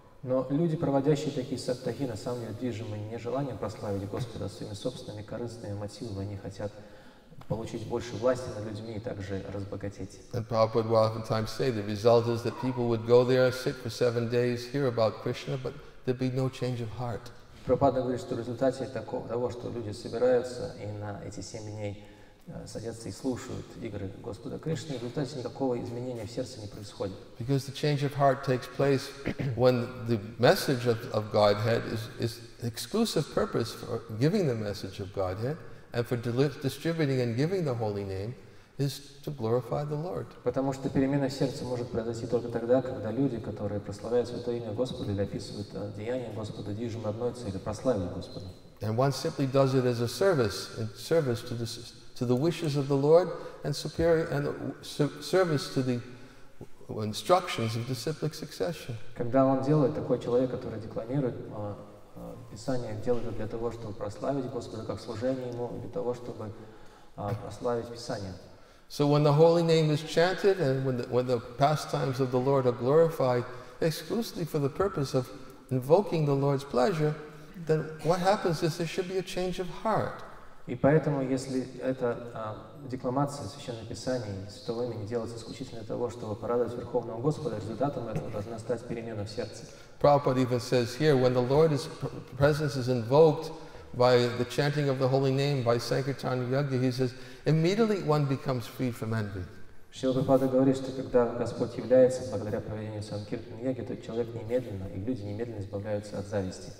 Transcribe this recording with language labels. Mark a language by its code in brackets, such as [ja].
[ru] Но люди, проводящие такие саптахи, на самом деле движимы не желанием прославить Господа, а своими собственными корыстными мотивами, они хотят получить больше власти над людьми и также разбогатеть. [en] And Prabhupada would oftentimes say the result is that people would go there, sit for 7 days, hear about Krishna, but there'd be no change of heart. [ru] Prabhupada говорит, что в результате того, что люди собираются и на эти 7 дней садятся и слушают игры Господа Кришны, в результате никакого изменения в сердце не происходит. [en] Because the change of heart takes place when the message of Godhead is exclusive purpose for giving the message of Godhead. And for distributing and giving the holy name is to glorify the Lord. [ru] Потому что перемена в сердце может произойти только тогда, когда люди, которые прославляют Святое Имя Господа или описывают деяния Господа, движимы одной целью — прославить Господа. [en] And one simply does it as a service to the wishes of the Lord and superior and service to the instructions of the disciplic succession. [ru] Когда он делает такой человек, который декламирует Писание делают для того, чтобы прославить Господа, как служение Ему, для того, чтобы прославить Писание. [en] So when the holy name is chanted and when the pastimes of the Lord are glorified exclusively for the purpose of invoking the Lord's pleasure, then what happens is there should be a change of heart. [ru] И поэтому, если эта декламация Священного Писания Святого Имени делается исключительно для того, чтобы порадовать Верховного Господа, результатом этого должна стать перемена в сердце. [en] Prabhupada even says here, when the Lord's presence is invoked by the chanting of the holy name, by Sankirtan Yajna, he says, immediately one becomes free from envy. [ru] Шрила Прабхупада говорит, что когда Господь является благодаря проведению Санкиртан Йоги, то человек немедленно, и люди немедленно избавляются от зависти.